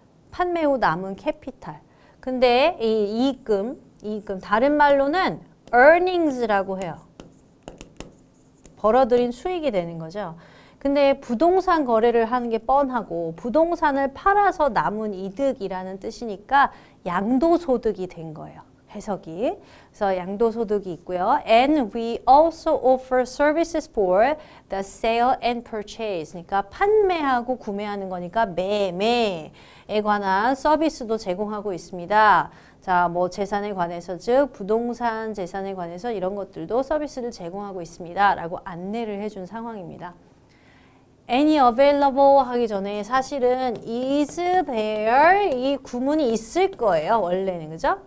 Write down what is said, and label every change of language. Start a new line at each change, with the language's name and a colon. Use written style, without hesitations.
Korean: 판매 후 남은 캐피탈. 근데 이 이익금 다른 말로는 earnings라고 해요. 벌어들인 수익이 되는 거죠. 근데 부동산 거래를 하는 게 뻔하고 부동산을 팔아서 남은 이득이라는 뜻이니까 양도소득이 된 거예요. 해석이. 그래서 양도소득이 있고요.
English: And we also offer services for the sale and purchase.
Korean: 그러니까 판매하고 구매하는 거니까 매매에 관한 서비스도 제공하고 있습니다. 자, 뭐 재산에 관해서 즉 부동산 재산에 관해서 이런 것들도 서비스를 제공하고 있습니다. 라고 안내를 해준 상황입니다. Any available 하기 전에 사실은 is there 이 구문이 있을 거예요. 원래는 그죠?